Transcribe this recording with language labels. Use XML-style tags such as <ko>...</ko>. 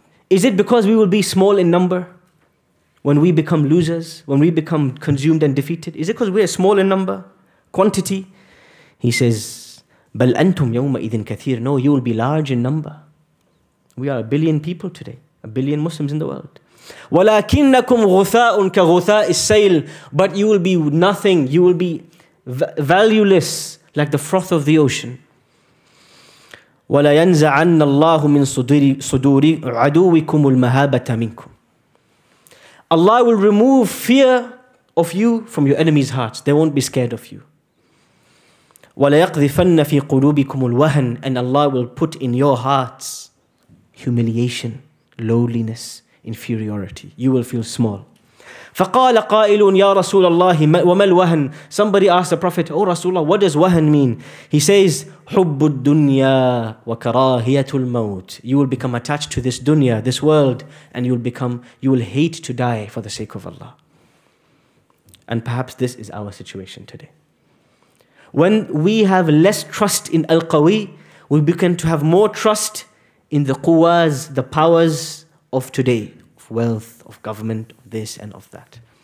<en>Is it because we will be small in number when we become losers, when we become consumed and defeated? Is it because we are small in number, quantity? He says,</en> <ar>بَلْ أَنْتُمْ يَوْمَئِذٍ كَثِيرٌ.</ar> <en>No, you will be large in number. We are 1 billion people today, 1 billion Muslims in the world.</en> <ar>وَلَكِنَّكُمْ غُثَاءٌ كَغُثَاءِ السَّيْلِ.</ar> <en>But you will be nothing, you will be valueless like the froth of the ocean.</en> <ar>وَلَا يَنْزَعَنَّ اللَّهُ مِنْ صُدُورِ عَدُوِّكُمُ الْمَهَابَةَ مِنْكُمْ.</ar> <en>Allah will remove fear of you from your enemy's hearts. They won't be scared of you.</en> <ar>وَلَيَقْذِفَنَّ فِي قُلُوبِكُمُ الْوَهَنِ.</ar> <en>And Allah will put in your hearts humiliation, lowliness, inferiority. You will feel small.</en> <ar>فَقَالَ قَائِلٌ يَا رَسُولَ اللَّهِ وَمَا الْوَهَنِ.</ar> <en>Somebody asked the Prophet, "Oh Rasulullah, what does wahan mean?" He says,</en> <ar>حُبُّ الدُّنْيَا وَكَرَاهِيَةُ الْمَوْتِ.</ar> <en>You will become attached to this dunya, this world, and you will hate to die for the sake of Allah. And perhaps this is our situation today. When we have less trust in Al-Qawi, we begin to have more trust in the quwas, the powers of today, of wealth, of government, of this and of that.</en>